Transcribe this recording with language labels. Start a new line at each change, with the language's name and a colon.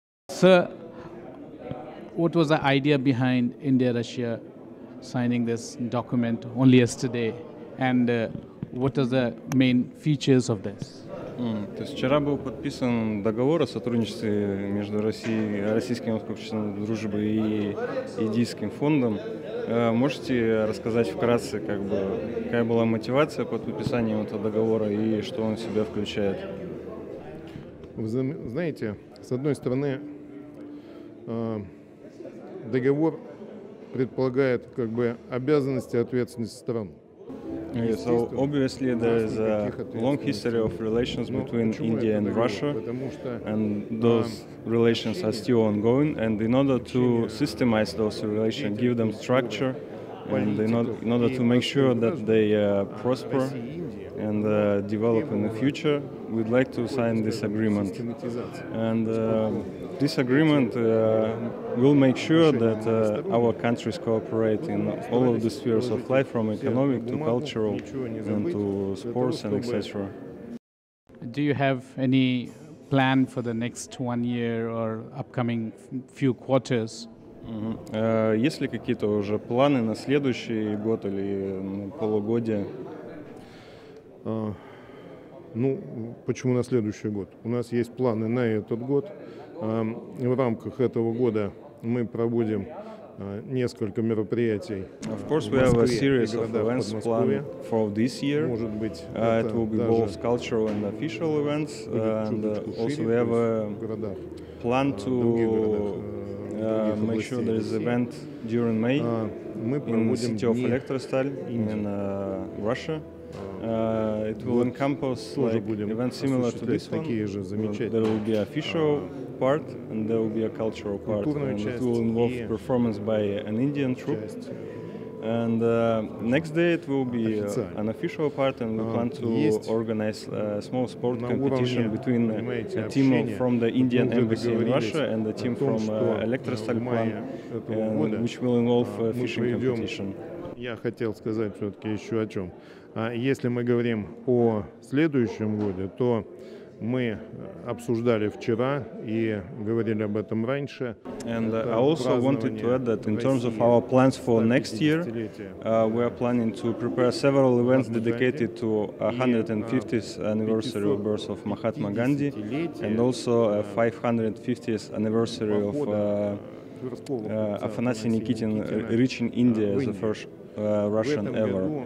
English: Sir, what was the idea behind India-Russia signing this document only yesterday, and what are the main features of this?
Russian: То есть вчера был подписан договор о сотрудничестве между Россией, Российским обществом дружбы и Индийским фондом. Можете рассказать вкратце, как бы, какая была мотивация под подписанием этого договора и что он в себя включает? Вы знаете, с одной стороны, договор предполагает как бы обязанности и ответственность сторон.
English: So obviously there is a long history of relations between India and Russia, and those relations are still ongoing. And in order to systemize those relations, give them structure, and in order to make sure that they prosper and develop in the future, we'd like to sign this agreement. And this agreement will make sure that our countries cooperate in all of the spheres of life, from economic to cultural and to sports and etc. Do you have any plan for the next 1 year or upcoming few quarters?
Russian: Есть ли какие-то уже планы на следующий год или на полугодие? Ну, почему на следующий год? У нас есть планы на этот год. В рамках этого года мы проводим несколько мероприятий.
English: Of course, we have a series of events planned for this year.
Russian: Может быть,
English: it will be both cultural and official events. And also, we have a plan to make sure there is an event during May in the city of Elektrostal in Russia. It will encompass like events similar to this one. There will be an official part and there will be a cultural part. And it will involve performance by an Indian troupe. And next day it will be an official part, and we plan to organize a small sport competition between a team from the Indian embassy in Russia and a team from Elektrostal plant, which will involve a fishing competition.
Russian: Я хотел сказать все-таки еще о чем. Если мы говорим о следующем годе, то мы обсуждали вчера и говорили об этом раньше.
English: And I also wanted to add that in terms of our plans for next year, we are planning to prepare several events dedicated to 150th anniversary of birth of Mahatma Gandhi and also a 550th anniversary of Афанасий Никитин reaching India as the first Russian ever.